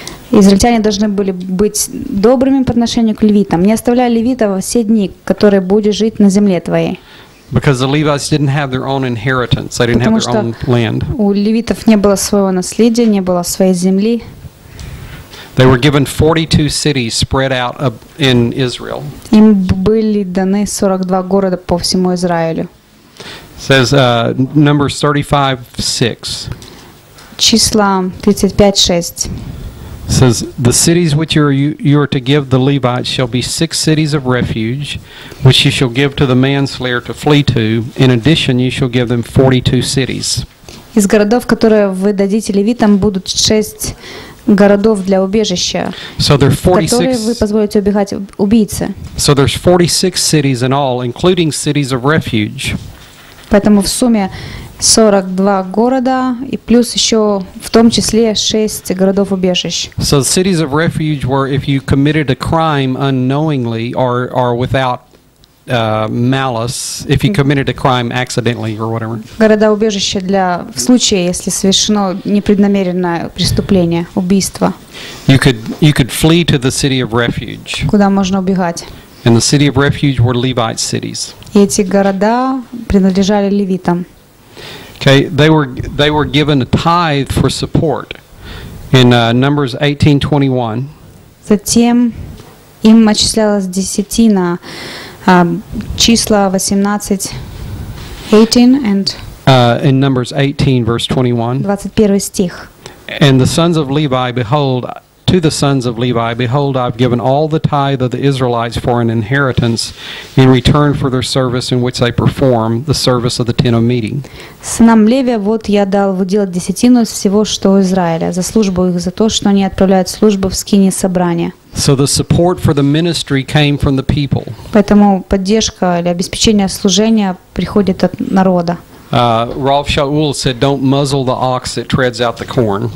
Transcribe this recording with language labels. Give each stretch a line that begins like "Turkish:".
Russian: Израильтяне должны были быть добрыми по отношению к левитам. Не оставляй левита во все дни, которые будешь жить на земле твоей.
English: Because the Levites didn't have their own inheritance, they didn't have their own land.
Russian: У левитов не было своего наследия, не было своей земли.
English: They were given 42 cities spread out in Israel.
Russian: Им были даны 42 города по всему Израилю.
English: Says Numbers 35:6.
Russian: Числа 35:6.
English: Says the cities which you are to give the Levites shall be 6 cities of refuge, which you shall give to the manslayer to flee to. In addition, you shall give them 42 cities.
Russian: Из городов, которые вы дадите левитам, будут 6 городов для убежища, которые вы позволите убегать убийце.
English: So there's 46 cities in all, including cities of refuge.
Russian: Поэтому в сумме 42 города и плюс еще в том числе 6 городов убежищ.
English: So the cities of refuge were if you committed a crime unknowingly or without malice, if you committed a crime accidentally or whatever.
Russian: Города убежища для в случае если совершено непреднамеренное преступление, убийство.
English: You could flee to the city of refuge.
Russian: Куда можно убегать?
English: And the city of refuge were Levite cities.
Russian: И эти города принадлежали левитам.
English: Okay, they were given a tithe for support in Numbers 18:21.
Russian: Затем им отчислялась десятина. Числа 18:18 and
English: in Numbers 18 verse 21.
Russian: 21 стих.
English: And the sons of Levi, behold, to the sons of Levi, behold, I've given all the tithe of the Israelites for an inheritance in return for their service in which they perform the service of the tent of meeting.
Russian: Сынам Леви, вот я дал выделать десятину из всего, что у Израиля, за службу их, за то, что они отправляют службу в скинии собрания.
English: So the support for the ministry came from the people.
Russian: Поэтому поддержка или обеспечение служения приходит от народа.
English: Ralph Shaul said, "Don't muzzle the ox that treads out the corn."